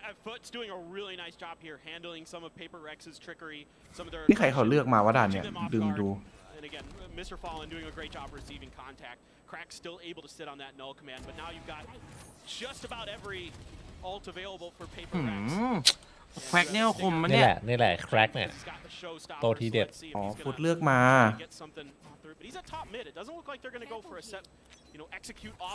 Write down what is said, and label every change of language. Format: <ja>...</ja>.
<en>FUT's doing a really nice job here, handling some of PaperX's trickery. Some of their.</en> <th>นี่ใครเขาเลือกมาวะด่านเนี่ยดึงดู</th> <en>And again, Mr. Fallen doing a great job receiving contact. Crack still able to sit on that null command, but now you've got just about every ult available for PaperX.</en> <th>Crack เนี่ยคมมัน เนี่ยนี่แหละ Crack เนี่ยโตที่เด็ด อ๋อ FUT เลือกมา</th> <en>But he's a top mid. It doesn't look like they're going to go for a set, you know, execute off.</en>